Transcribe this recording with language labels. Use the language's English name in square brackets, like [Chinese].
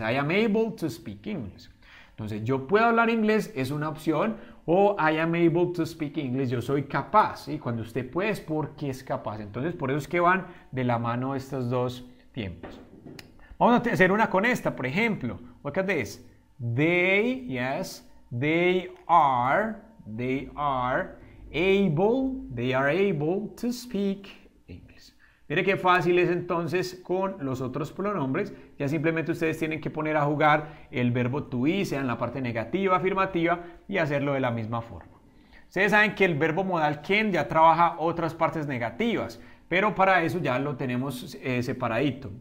[English] I am able to speak English. [Spanish] Entonces, yo puedo hablar inglés es una opción. O [English] I am able to speak English. [Spanish] Yo soy capaz. ¿Sí? Cuando usted puede, ¿por qué es capaz? Entonces, por eso es que van de la mano estos dos tiempos. Vamos a hacer una con esta, por ejemplo. [English] Look at this. They, yes, they are able, they are able to speak English. [Spanish] Mire qué fácil es entonces con los otros pronombres. Ya simplemente ustedes tienen que poner a jugar el verbo to be, sea en la parte negativa, afirmativa, y hacerlo de la misma forma. Ustedes saben que el verbo modal can ya trabaja otras partes negativas, pero para eso ya lo tenemos separadito.